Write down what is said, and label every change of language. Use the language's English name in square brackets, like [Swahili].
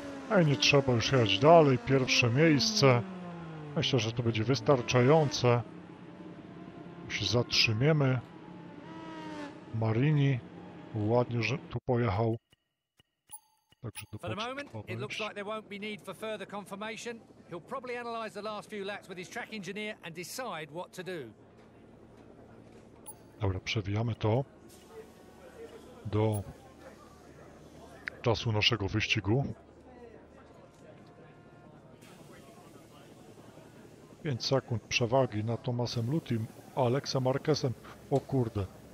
[Polish] A nie trzeba już jechać dalej. Pierwsze miejsce. Myślę, że to będzie wystarczające. Już się zatrzymiemy. Marini ładnie, że tu pojechał. Także do początku. [English] Looks like there won't be need for further confirmation. He'll probably analyze the last few laps with his track engineer and decide what to do. [Polish] Dobra, przewijamy to do czasu naszego wyścigu. 5 sekund przewagi nad Tomasem Lutim, Alexem Marquezem. O kurde.